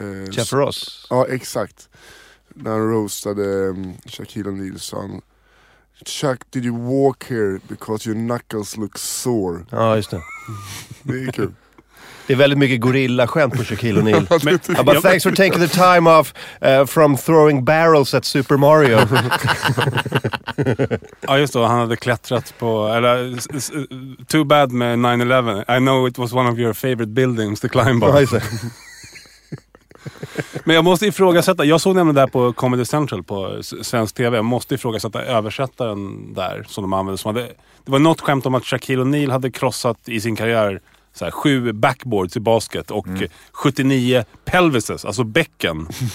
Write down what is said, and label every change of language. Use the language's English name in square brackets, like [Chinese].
[Swedish] Jeff Ross. Ja, exakt. När han roastade Shaquille O'Neal, sa han, [English] Chuck, did you walk here because your knuckles look sore? [Swedish] Ja, just det. Det är kul. Det är väldigt mycket gorilla skämt på Shaquille O'Neal. [English] But thanks for taking the time off from throwing barrels at Super Mario. [Swedish] Ja, just det. Han hade klättrat på... Eller, [English] too bad [Swedish] med 9/11. [English] I know it was one of your favorite buildings to climb on. [Swedish] Ja, men jag måste ifrågasätta, jag såg nämligen där på Comedy Central på svensk tv, jag måste ifrågasätta översättaren där som de använde. Som hade, det var något skämt om att Shaquille O'Neal hade krossat i sin karriär så här, 7 backboards i basket och 79 pelvises, alltså bäcken.